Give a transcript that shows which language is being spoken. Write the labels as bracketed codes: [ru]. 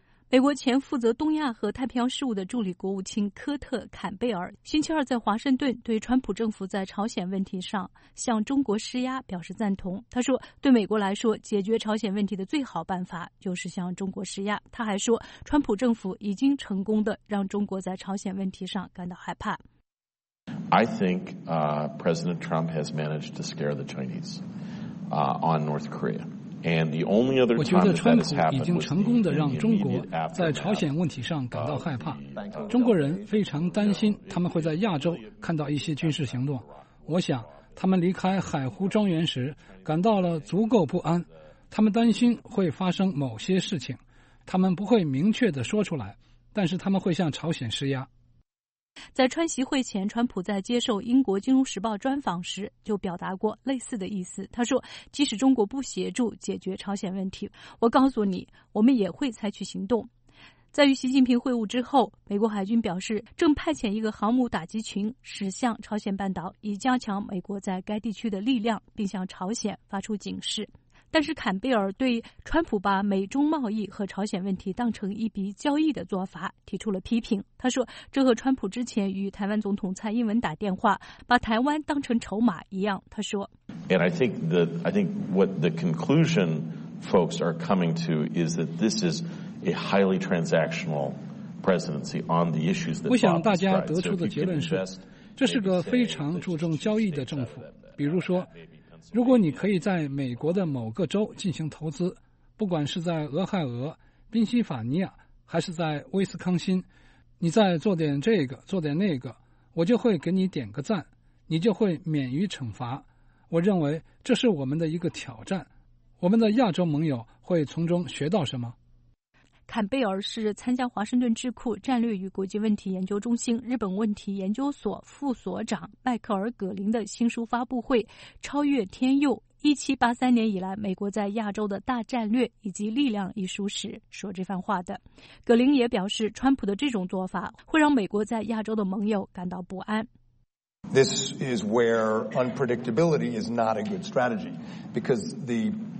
[zh] 美国前负责东亚和太平洋事务的助理国务卿科特·坎贝尔星期二在华盛顿对川普政府在朝鲜问题上向中国施压表示赞同。他说，对美国来说，解决朝鲜问题的最好办法就是向中国施压。他还说，川普政府已经成功地让中国在朝鲜问题上感到害怕。 [en] I think, President Trump has managed to scare the Chinese, on North Korea. [zh] 我觉得川普已经成功地让中国在朝鲜问题上感到害怕。中国人非常担心他们会在亚洲看到一些军事行动。我想他们离开海湖庄园时感到了足够不安，他们担心会发生某些事情，他们不会明确地说出来，但是他们会向朝鲜施压。在川习会前，川普在接受英国金融时报专访时就表达过类似的意思。他说，即使中国不协助解决朝鲜问题，我告诉你，我们也会采取行动。在与习近平会晤之后，美国海军表示正派遣一个航母打击群驶向朝鲜半岛，以加强美国在该地区的力量，并向朝鲜发出警示。但是坎贝尔对川普把美中贸易和朝鲜问题当成一笔交易的做法提出了批评。他说，这和川普之前与台湾总统蔡英文打电话，把台湾当成筹码一样。他说 [en] ，And I think what the conclusion folks are coming to is that this is a highly transactional presidency on the issues that. [zh] 我想大家得出的结论是，这是个非常注重交易的政府。比如说，如果你可以在美国的某个州进行投资，不管是在俄亥俄、宾夕法尼亚还是在威斯康辛，你再做点这个做点那个，我就会给你点个赞，你就会免于惩罚。我认为这是我们的一个挑战，我们的亚洲盟友会从中学到什么。坎贝尔是参加华盛顿智库战略与国际问题研究中心日本问题研究所副所长迈克尔·葛林的新书发布会《超越天佑：1783年以来美国在亚洲的大战略以及力量》一书时说这番话的。葛林也表示，川普的这种做法会让美国在亚洲的盟友感到不安。 [en] This is where unpredictability is not a good strategy, because the.